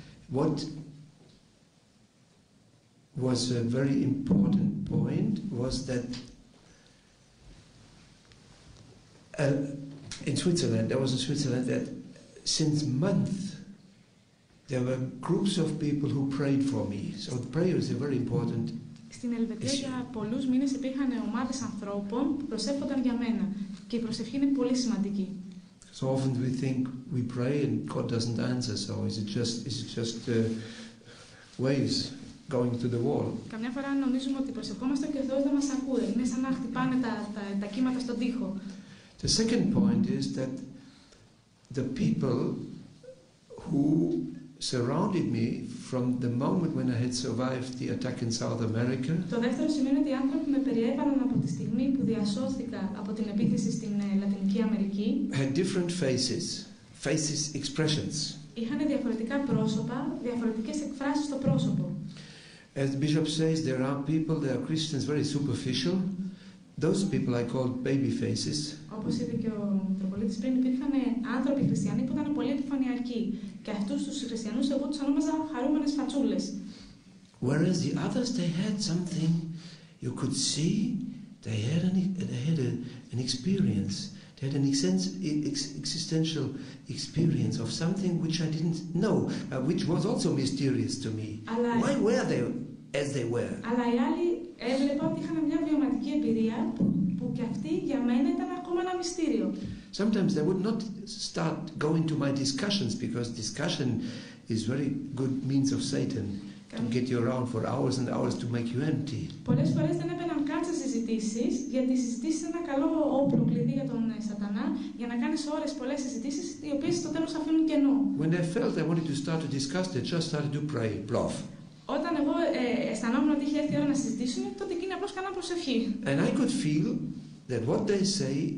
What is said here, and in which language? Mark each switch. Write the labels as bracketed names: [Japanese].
[English] What was a very important point was that in Switzerland, there was a Switzerland that since months there were groups of people who prayed for me. So the prayer is a very important [Greek] Στην Ελβετία για πολλούς μήνες υπήρχαν ομάδες ανθρώπων που προσεύχονταν για μένα και η προσευχή είναι πολύ σημαντική. [English] So often we think we pray and God doesn't answer, so is it just waves going to the wall? [Greek] Καμιά φορά νομίζουμε ότι προσευχόμαστε και ο Θεός δεν μας ακούει. Είναι σαν να χτυπάνε τα κύματα στον τοίχο. [English] The second point is that the people who surrounded me from the moment when I had survived the attack in South America. [Greek] Το δεύτερο σημείο είναι ότι οι άνθρωποι με περιέβαλαν από τη στιγμή που διασώθηκα από την επίθεση στην Λατινική Αμερική. [English] Had different faces, expressions. [Greek] Είχαν διαφορετικά πρόσωπα, διαφορετικές εκφράσεις στο πρόσωπο. [English] As the bishop says, there are people, there are Christians very superficial. Those people I called baby faces. [Greek] Όπως είπε και ο Μητροπολίτης πριν, υπήρχαν άνθρωποι χριστιανοί που ήταν πολύ επιφανειακοί. Και αυτούς τους χριστιανούς εγώ τους ονόμαζα χαρούμενες φατσούλες. [English] Whereas the others, they had something you could see, they had an experience. They had an existential experience of something which I didn't know, which was also mysterious to me. Why were they as they were? [Greek] Αλλά οι άλλοι έβλεπα ότι είχαν μια βιωματική εμπειρία που και αυτή για μένα ήταν ακόμα ένα μυστήριο. [English] Sometimes they would not start going to my discussions because discussion is very good means of Satan to get you around for hours and hours to make you empty. [Greek] Πολλές φορές δεν έπαιρναν καν σε συζητήσεις, γιατί συζητήσεις είναι ένα καλό όπλο κλειδί για τον Σατανά, για να κάνεις ώρες πολλές συζητήσεις οι οποίες στο τέλος αφήνουν κενό. [English] When they felt they wanted to start to discuss, they just started to pray, bluff. [Greek] Όταν εγώ αισθανόμουν ότι είχε έρθει η ώρα να συζητήσουμε, τότε εκείνοι απλώς κάναν προσευχή. [English] And I could feel that what they say